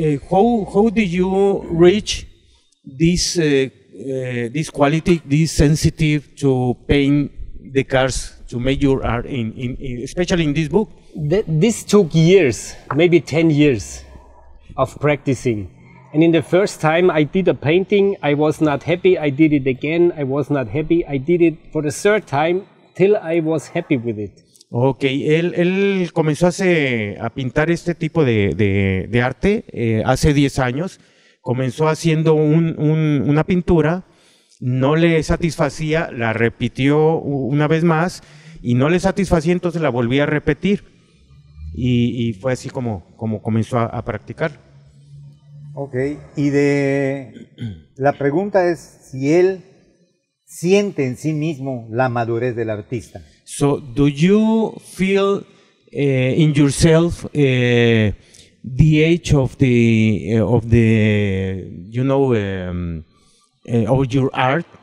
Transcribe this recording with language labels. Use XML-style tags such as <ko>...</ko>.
<en>How did you reach this quality, this sensitive to paint the cars, to make your art, in especially in this book? This took years, maybe 10 years of practicing. And in the first time I did a painting, I was not happy. I did it again, I was not happy. I did it for the third time till I was happy with it.</en> <es>Okay, él comenzó a pintar este tipo de arte hace 10 años. Comenzó haciendo una pintura, no le satisfacía, la repitió una vez más y no le satisfacía, entonces la volví a repetir. Y fue así como comenzó a practicar. Okay, y la pregunta es si él siente en sí mismo la madurez del artista.</es> <en>So, do you feel in yourself the age of the you know of your art?</en>